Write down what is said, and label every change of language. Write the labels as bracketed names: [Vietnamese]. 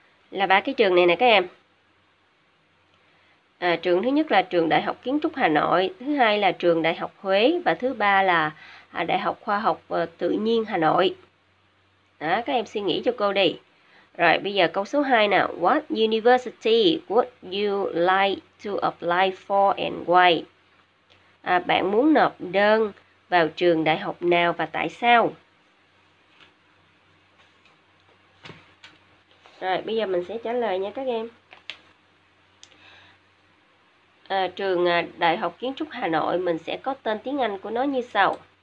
[Vietnamese] Là ba cái trường này nè các em. Trường thứ nhất là trường Đại học Kiến trúc Hà Nội, thứ hai là trường Đại học Huế và thứ ba là Đại học Khoa học Tự nhiên Hà Nội. Đó, các em suy nghĩ cho cô đi. Rồi, bây giờ câu số 2 nào. [English] What university would you like to apply for and why? [Vietnamese] Bạn muốn nộp đơn vào trường đại học nào và tại sao? Rồi, bây giờ mình sẽ trả lời nha các em. Trường Đại học Kiến trúc Hà Nội, mình sẽ có tên tiếng Anh của nó như sau.